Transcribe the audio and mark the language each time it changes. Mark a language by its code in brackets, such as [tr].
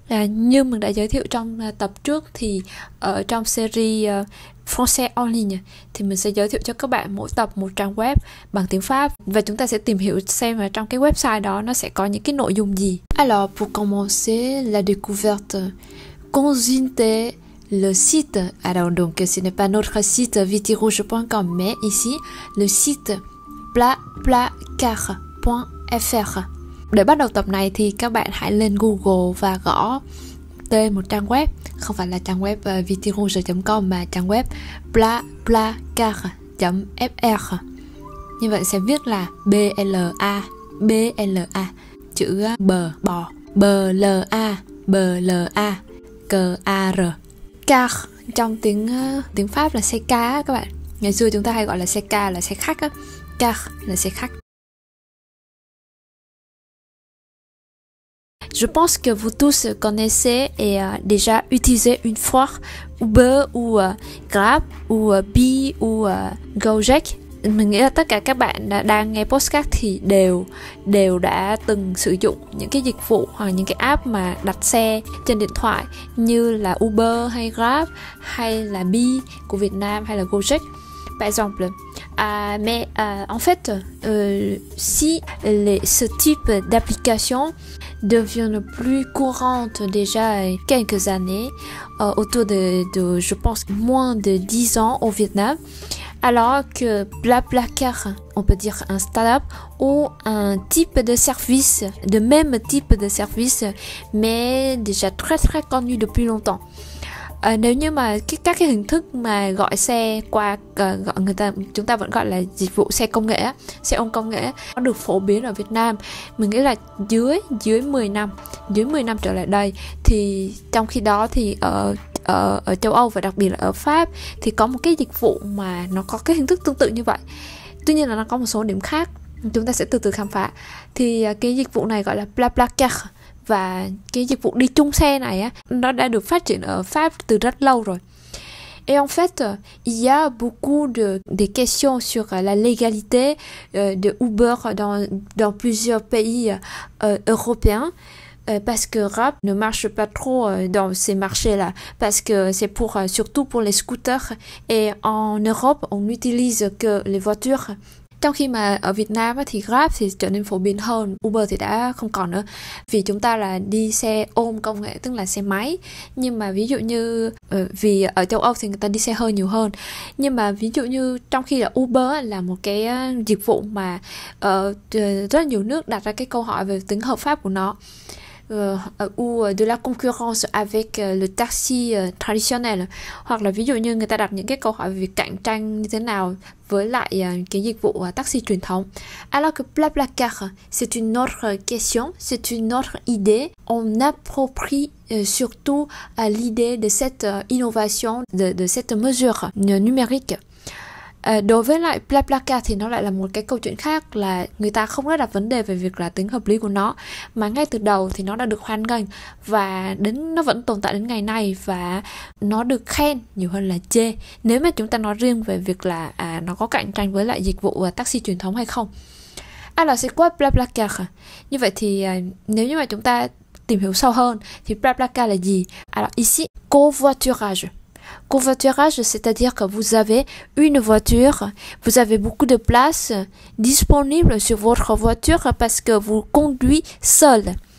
[vi] Như mình đã giới thiệu trong tập trước thì trong série Français en ligne thì mình sẽ giới thiệu cho các bạn mỗi tập một trang web bằng tiếng Pháp và chúng ta sẽ tìm hiểu xem là trong cái website đó nó sẽ có những cái nội dung gì. [fr] Alors pour commencer la découverte, consulter le site. Alors donc ce n'est pas notre site vitirouge.com mais ici le site placard.fr. [vi] Để bắt đầu tập này thì các bạn hãy lên Google và gõ tên một trang web, không phải là trang web vitirouge.com mà trang web placard.fr. Như vậy sẽ viết là BLA, chữ bờ bò, BLA, CAR. Car trong tiếng Pháp là xe ca các bạn. Ngày xưa chúng ta hay gọi là xe ca là xe khách á. Car là xe khách. [fr] Je pense que vous tous connaissez et déjà utilisez une fois Uber ou Grab ou Bi ou Gojek. [vi] Mình nghĩ là tất cả các bạn đang nghe podcast thì đều đã từng sử dụng những cái dịch vụ hoặc những cái app mà đặt xe trên điện thoại như là Uber hay Grab hay là Bi của Việt Nam hay là Gojek. [fr] Par exemple, mais en fait, si ce type d'application deviennent plus courantes déjà quelques années, autour de je pense, moins de 10 ans au Vietnam, alors que BlaBlaCar, on peut dire un startup, ou un type de service, de même type de service, mais déjà très très connu depuis longtemps. [vi] Nếu như mà các cái hình thức mà gọi xe qua chúng ta vẫn gọi là dịch vụ xe công nghệ, xe ôm công nghệ nó được phổ biến ở Việt Nam, mình nghĩ là dưới 10 năm trở lại đây, thì trong khi đó thì ở châu Âu và đặc biệt là ở Pháp thì có một cái dịch vụ mà nó có cái hình thức tương tự như vậy. Tuy nhiên là nó có một số điểm khác, chúng ta sẽ từ từ khám phá. Thì cái dịch vụ này gọi là BlaBlaCar. Và cái dịch vụ đi chung xe này á, nó đã được phát triển ở Pháp từ rất lâu rồi. [fr] Et en fait, il y a beaucoup de questions sur la légalité de Uber dans plusieurs pays européens. Parce que Grab ne marche pas trop dans ces marchés-là, parce que c'est pour surtout pour les scooters. Et en Europe, on n'utilise que les voitures. [vi] Trong khi mà ở Việt Nam thì Grab thì trở nên phổ biến hơn, Uber thì đã không còn nữa. Vì chúng ta là đi xe ôm công nghệ, tức là xe máy. Nhưng mà ví dụ như, vì ở châu Âu thì người ta đi xe hơi nhiều hơn. Nhưng mà ví dụ như trong khi là Uber là một cái dịch vụ mà rất nhiều nước đặt ra cái câu hỏi về tính hợp pháp của nó. [fr] Ou de la concurrence avec le taxi traditionnel. [vi] Hoặc là ví dụ như người ta đặt những cái câu hỏi về việc cạnh tranh như thế nào với lại cái dịch vụ taxi truyền thống. [fr] Alors que BlaBlaCar, c'est une autre question, c'est une autre idée. On approprie surtout l'idée de cette innovation, de cette mesure numérique. [vi] Đối với lại BlaBlaCar thì nó lại là một cái câu chuyện khác, là người ta không có đặt vấn đề về việc là tính hợp lý của nó, mà ngay từ đầu thì nó đã được hoan nghênh và nó vẫn tồn tại đến ngày nay, và nó được khen nhiều hơn là chê nếu mà chúng ta nói riêng về việc là nó có cạnh tranh với lại dịch vụ taxi truyền thống hay không. [fr] Alors c'est quoi BlaBlaCar? [vi] Như vậy thì nếu như mà chúng ta tìm hiểu sâu hơn thì BlaBlaCar là gì? [fr] Alors ici, covoiturage. Covoiturage, c'est-à-dire que vous avez une voiture, vous avez beaucoup de place disponible sur votre voiture parce que vous conduisez seul.